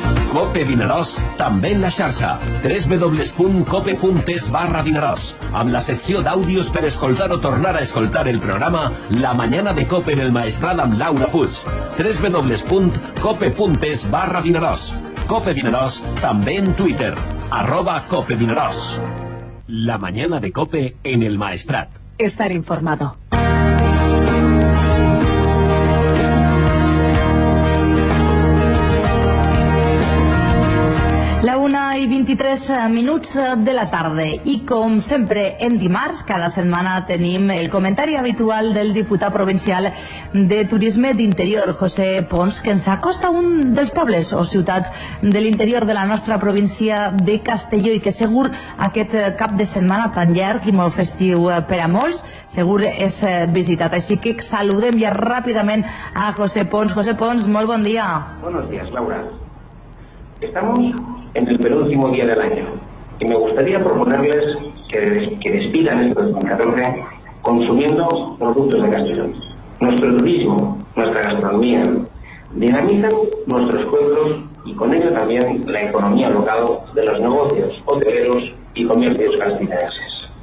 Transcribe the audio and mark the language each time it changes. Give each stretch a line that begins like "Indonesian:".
Catalan: Cope Vinaròs, també en la xarxa. www.cope.es/Vinaròs. Amb la secció d'àudios per escoltar o tornar a escoltar el programa La Mañana de Cope en el Maestral amb Laura Puig. www.cope.es/Vinaròs. Cope Vinaròs, també en Twitter. @CopeVinaròs.
Spanish: La Mañana de Cope en el Maestrat. Estar informado. La 1:23 de la tarde.
Catalan: I com sempre en dimarts, cada setmana tenim el comentari habitual del diputat provincial de Turisme d'Interior, José Pons, que ens acosta un dels pobles o ciutats de l'interior de la nostra província de Castelló i que segur aquest cap de setmana tan llarg i molt festiu per a molts, segur és visitat. Així que saludem ja ràpidament a José Pons. José Pons, molt bon dia.
Spanish: Buenos días, Laura. Estamos en el penúltimo día del año y me gustaría proponerles que despidan este 2014 consumiendo productos de Castellón. Nuestro turismo, nuestra gastronomía, dinamizan nuestros pueblos y con ello también la economía local de los negocios hoteleros y comercios castellanos.